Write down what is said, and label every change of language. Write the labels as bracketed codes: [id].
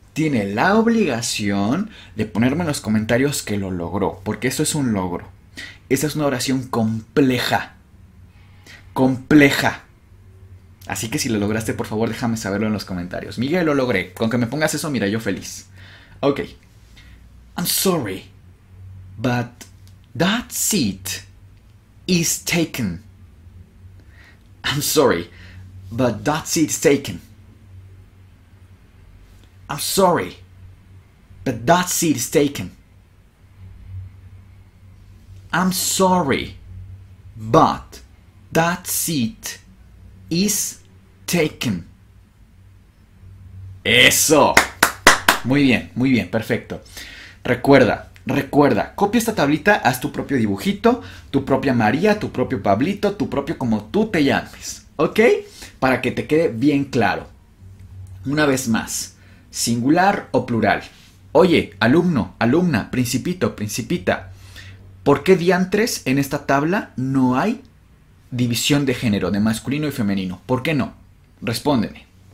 [es] Tiene la obligación de ponerme en los comentarios que lo logró, porque eso es un logro. Esa es una oración compleja. Compleja. Así que si lo lograste, por favor, déjame saberlo en los comentarios. Miguel, lo logré. Con que me pongas eso, mira, yo feliz. Ok. [en] I'm sorry, but that seat is taken. I'm sorry, but that seat is taken. I'm sorry, but that seat is taken. I'm sorry, but that seat is taken. [es] ¡Eso! Muy bien, perfecto. Recuerda, copia esta tablita, haz tu propio dibujito, tu propia María, tu propio Pablito, tu propio como tú te llames, ¿ok? Para que te quede bien claro. Una vez más. ¿Singular o plural? Oye, alumno, alumna, principito, principita, ¿por qué diantres en esta tabla no hay división de género, de masculino y femenino? ¿Por qué no? Respóndeme.